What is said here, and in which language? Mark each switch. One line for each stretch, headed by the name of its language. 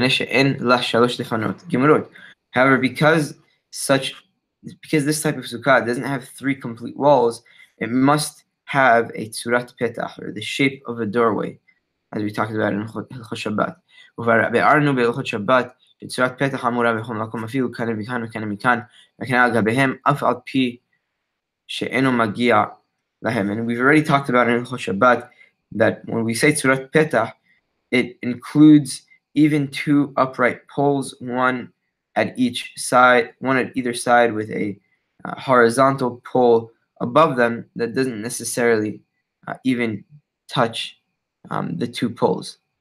English: However, because this type of sukkah doesn't have three complete walls, it must have a tzurat petach, or the shape of a doorway, as we talked about in Hilchot Shabbat.
Hebrew: ובארנו בהלכות שבת בצורת פתח אמורה בכל מקום אפילו כאן ומכאן וכאן ומכאן וכאן על גביהם אף על פי שאינו מגיע להם.
English: And we've already talked about in הלכות שבת that when we say צורת פתח, it includes even two upright poles, one at each side, one at either side with a horizontal pole above them that doesn't necessarily even touch the two poles.